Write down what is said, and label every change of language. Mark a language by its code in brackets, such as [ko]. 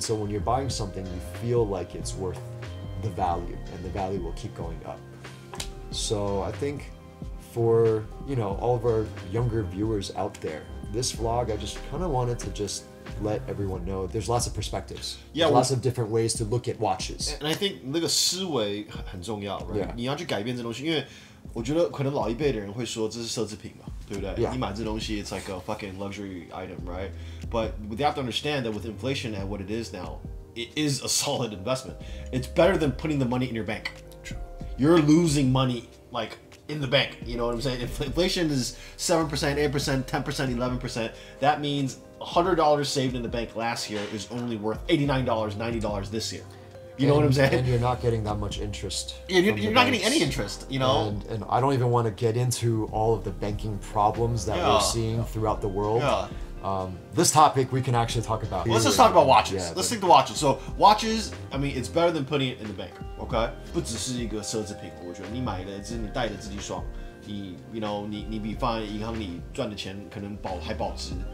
[en] So when you're buying something, you feel like it's worth the value, and the value will keep going up. So I think for, you know, all of our younger viewers out there, this vlog, I just kind of wanted to just let everyone know there's lots of perspectives. Yeah, lots of different ways to look at watches. And I think [zh] 那个思维很重要, [en] right? Yeah. [zh] 你要去改变这东西, 因为我觉得可能老一辈的人会说这是奢侈品嘛, 对不对? [en] Yeah. [zh] 你买这东西, [en] it's like a fucking luxury item, right? But they have to understand that with inflation and what it is now, it is a solid investment. It's better than putting the money in your bank. True. You're losing money, like, in the bank. You know what I'm saying? Inflation is 7%, 8%, 10%, 11%. That means $100 saved in the bank last year is only worth $89, $90 this year. You know what I'm saying? And you're not getting that much interest. Yeah, you're not getting any interest, you know? And I don't even want to get into all of the banking problems that we're seeing throughout the world. Yeah. This topic we can actually talk about. Well, let's just talk about watches. Yeah, let's think the watches. So watches, I mean, it's better than putting it in the bank, okay? [zh] 不只是一个奢侈品，我觉得你买的，只是你戴的自己爽。你 you know, 你比放在银行里赚的钱可能保值。